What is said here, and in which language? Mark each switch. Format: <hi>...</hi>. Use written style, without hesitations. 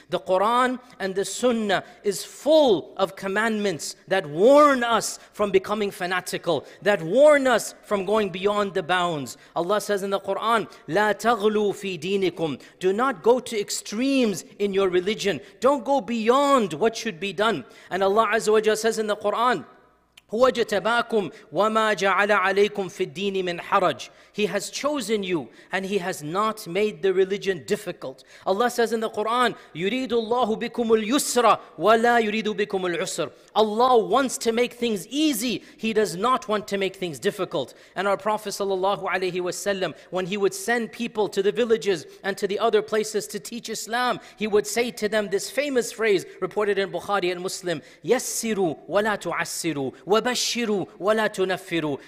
<en>The Quran and the Sunnah is full of commandments that warn us from becoming fanatical, that warn us from going beyond the bounds.</en> <ar>Allah says in the Quran, لَا تَغْلُوا فِي دِينِكُمْ.</ar> <en>Do not go to extremes in your religion. Don't go beyond what should be done. And Allah Azza wa Jalla says in the Quran,</en> <ar>هو جتباكم وما جعل عليكم في الدين من حرج.</ar> <en>He has chosen you and he has not made the religion difficult. Allah says in the Quran,</en> <ar>يريد الله بكم اليسر ولا يريد بكم العسر.</ar> <en>Allah wants to make things easy. He does not want to make things difficult. And our Prophet sallallahu alaihi wasallam, when he would send people to the villages and to the other places to teach Islam, he would say to them this famous phrase reported in Bukhari and Muslim,</en> <ar>يسروا ولا تعسروا وبشروا ولا تنفروا.</ar>